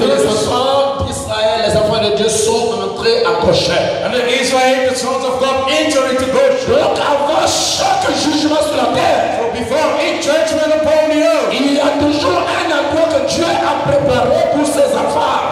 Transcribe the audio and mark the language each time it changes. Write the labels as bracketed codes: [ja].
[fr] Et les enfants d'Israël, les enfants de Dieu sont entrés à Goshen. [en] And the Israel, the sons of God, entered into Goshen. [fr] Donc avant chaque jugement sur la terre. [en] So before each judgment upon the earth. [fr] Il y a toujours un endroit que Dieu a préparé pour ses enfants.